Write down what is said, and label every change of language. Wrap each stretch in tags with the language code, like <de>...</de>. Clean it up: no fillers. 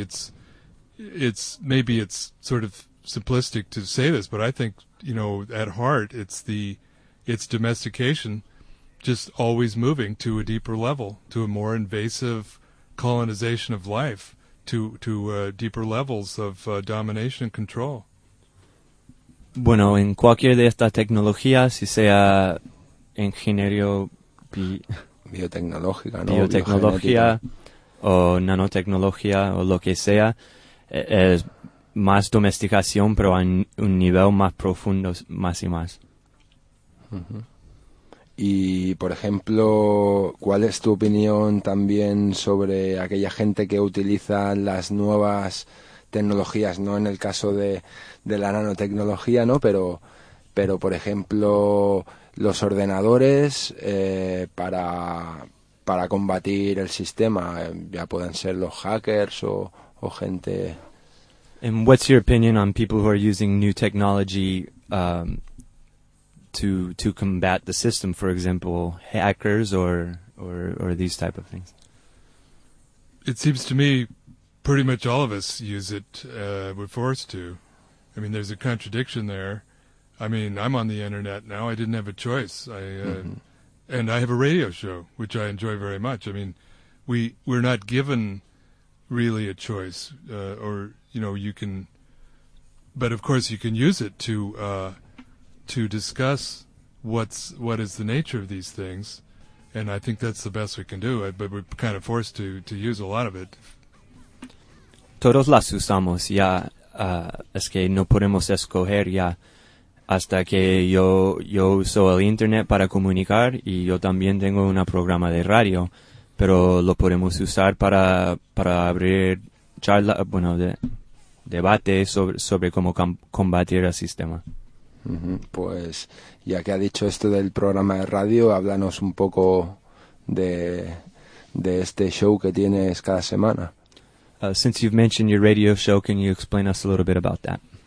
<en>It's sort of simplistic to say this, but I think, you know, at heart, it's domestication just always moving to a deeper level, to a more invasive colonization of life, to deeper levels of domination and control.</en> <es>Bueno, en cualquier de estas tecnologías, si sea ingeniería biotecnológica, ¿no? Biotecnología, o nanotecnología, o lo que sea, es más domesticación, pero a un nivel más profundo, más y más. Uh-huh. Y, por ejemplo, ¿cuál es tu opinión también sobre aquella gente que utiliza las nuevas tecnologías, no en el caso de la nanotecnología, ¿no? Pero por ejemplo, los ordenadores para combatir el sistema, ya pueden ser los hackers o gente.</es> <en>And what's your opinion on people who are using new technology to combat the system, for example, hackers or these type of things? It seems to me pretty much all of us use it, we're forced to. I mean, there's a contradiction there. I mean, I'm on the internet now. I didn't have a choice. And I have a radio show, which I enjoy very much. I mean, we're not given really a choice, or, you know, you can, but of course you can use it to discuss what is the nature of these things. And I think that's the best we can do, but we're kind of forced to use a lot of it.</en> <es>Todos las usamos ya, es que no podemos escoger ya, hasta que yo uso el internet para comunicar y yo también tengo un programa de radio, pero lo podemos usar para abrir charla, bueno, debate sobre cómo combatir el sistema. Pues ya que ha dicho esto del programa de radio, háblanos un poco de este show que tienes cada semana.</es> <en>Since you've mentioned your radio show, can you explain us a little bit about that?</en>